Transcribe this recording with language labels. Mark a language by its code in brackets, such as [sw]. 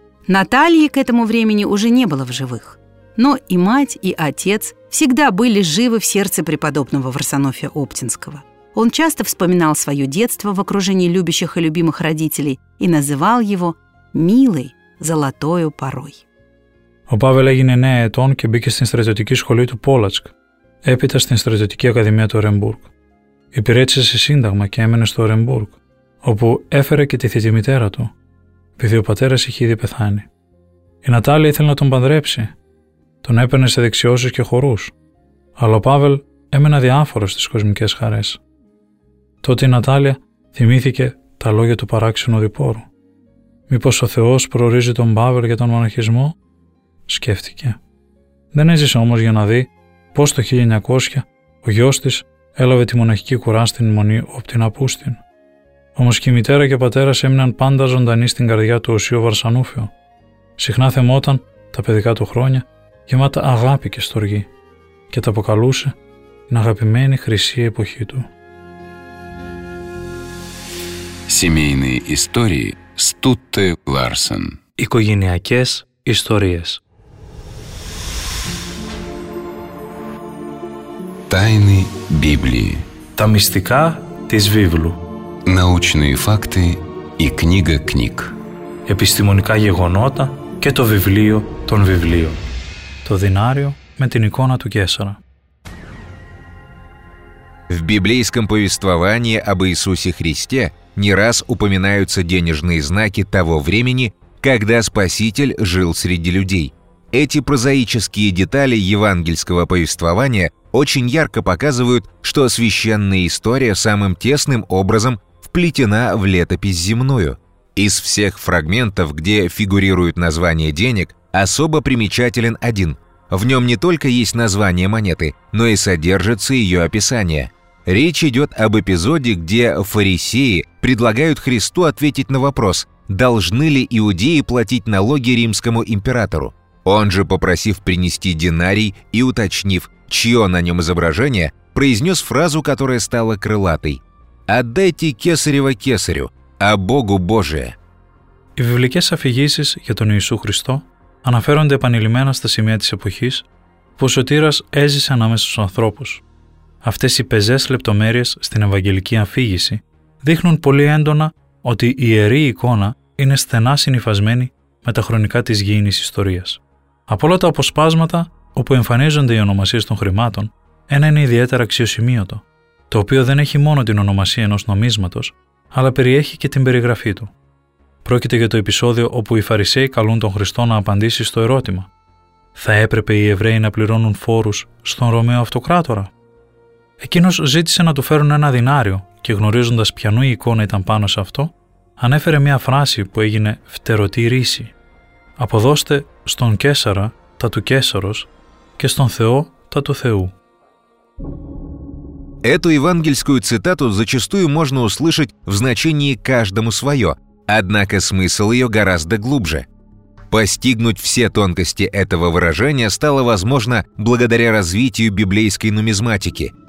[ru] Натальи к этому времени уже не было в живых. Но и мать, и отец всегда были живы в сердце преподобного Варсонофия Оптинского. Он часто вспоминал свое детство в окружении любящих и любимых родителей и называл его «милой золотою порой». [el] Ο Павел έγινε 9 ετών και μπήκε στην στρατιωτική σχολή του Πόλατσκ, έπειτα στην στρατιωτική ακαδημία του Ορεμπούργκ. Υπηρέτησε σε σύνταγμα και έμενε στο Ορεμπούργκ, όπου έφερε και τη θητή μητέρα του, επειδή ο πατέρας είχε ήδη πεθάνει. Η Νατάλια ήθελε να τον παντρέψει. Τον έπαιρνε σε δεξιώσεις και χορούς. Αλλά ο Παύλ έμενε αδιάφορος στις κοσμικές χαρές. Τότε η Νατάλια θυμήθηκε τα λόγια του παράξενου διπόρου. «Μήπως ο Θεός προορίζει τον Παύλ για τον μοναχισμό?» σκέφτηκε. Δεν έζησε όμως για να δει πώς το 1900 ο γιος της έλαβε τη μοναχική κουρά στην μονή Οπτιναπούστην. Όμως και η μητέρα και ο πατέρας έμειναν πάντα ζωντανοί στην καρδιά του Οσίου Βαρσανούφιο. Συχνά θεμόταν τα παιδικά του χρόνια γεμάτα αγάπη και στοργή και τα αποκαλούσε την αγαπημένη χρυσή εποχή του. [ru] Семейные истории Стутте Ларсен. [el] Οικογενειακές ιστορίες. [ru] Тайны Библии. [el] Τα μυστικά της Βίβλου. [ru] Научные факты и книга книг. [el] Επιστημονικά γεγονότα και το βιβλίο των βιβλίων. Το δινάριο με την εικόνα του Κέσσαρα. [ru] В библейском повествовании об Иисусе Христе не раз упоминаются денежные знаки того времени, когда Спаситель жил среди людей. Эти прозаические детали евангельского повествования очень ярко показывают, что священная история самым тесным образом вплетена в летопись земную. Из всех фрагментов, где фигурируют названия денег, особо примечателен один. В нем не только есть название монеты, но и содержится ее описание. Речь идет об эпизоде, где фарисеи предлагают Христу ответить на вопрос, должны ли иудеи платить налоги римскому императору. Он же, попросив принести динарий и уточнив, чье на нем изображение, произнес фразу, которая стала крылатой. «Отдайте кесарево кесарю, а Богу Божие». [el] Οι βιβλικές αφηγήσεις για τον Ιησού Χριστό αναφέρονται επανειλημμένα στα σημεία της εποχής που ο Σωτήρας έζησε ανάμεσα στους ανθρώπους. Αυτές οι πεζές λεπτομέρειες στην Ευαγγελική αφήγηση δείχνουν πολύ έντονα ότι η ιερή εικόνα είναι στενά συνυφασμένη με τα χρονικά της γήινης ιστορίας. Από όλα τα αποσπάσματα όπου εμφανίζονται οι ονομασίες των χρημάτων, ένα είναι ιδιαίτερα αξιοσημείωτο, το οποίο δεν έχει μόνο την ονομασία ενός νομίσματος, αλλά περιέχει και την περιγραφή του. Πρόκειται για το επεισόδιο όπου οι Φαρισαίοι καλούν τον Χριστό να απαντήσει στο ερώτημα: «Θα έπρεπε οι Εβραίοι να πληρώνουν φόρους στον Ρωμαίο Αυτοκράτορα?» Εκείνος ζήτησε να του φέρουν ένα δινάριο και γνωρίζοντας ποιανού η εικόνα ήταν πάνω σε αυτό, ανέφερε μια φράση που έγινε φτερωτή ρίση. «Αποδώστε στον Κέσσαρα τα του Κέσσαρος και στον Θεό τα του Θεού». [ru] Эту евангельскую цитату зачастую можно услышать в значении «каждому свое», однако смысл ее гораздо глубже. Постигнуть все тонкости этого выражения стало возможно благодаря развитию библейской нумизматики.